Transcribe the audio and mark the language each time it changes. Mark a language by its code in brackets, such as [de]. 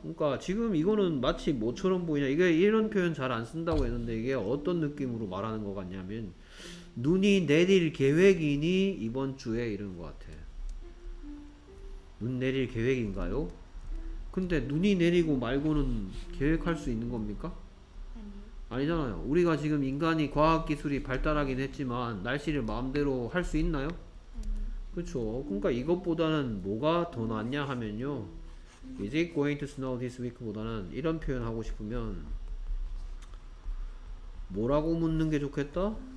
[ko] 그러니까 지금 이거는 마치 뭐처럼 보이냐? 이게 이런 표현 잘 안 쓴다고 했는데 이게 어떤 느낌으로 말하는 것 같냐면 눈이 내릴 계획이니 이번 주에 이런 것 같아. 눈 내릴 계획인가요? 근데 눈이 내리고 말고는 계획할 수 있는 겁니까? 아니잖아요. 우리가 지금 인간이 과학기술이 발달하긴 했지만 날씨를 마음대로 할 수 있나요? 그렇죠. 그러니까 이것보다는 뭐가 더 낫냐 하면요, [en] Is it going to snow this week? [ko] 보다는 이런 표현 하고 싶으면 뭐라고 묻는 게 좋겠다?